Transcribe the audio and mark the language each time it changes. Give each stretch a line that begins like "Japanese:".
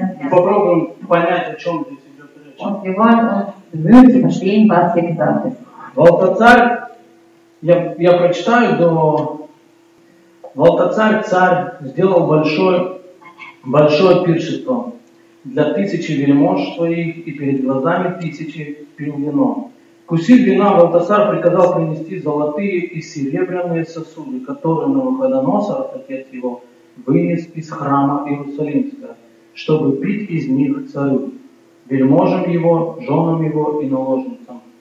Russian: попробуем понять, о чем здесь идет речь.
German: Und wir wollen uns verstehen, was hier gesagt ist.
Russian: Балтасар, я прочитаю до... Балтасар, царь, сделал большое пиршество для тысячи вельмож своих и перед глазами тысячи пил вино. Вкусив вина, Балтасар приказал принести золотые и серебряные сосуды, которые Навуходоносор, отец его, вынес из храма Иерусалимского, чтобы пить из них царю, вельможам его, женам его и наложницам.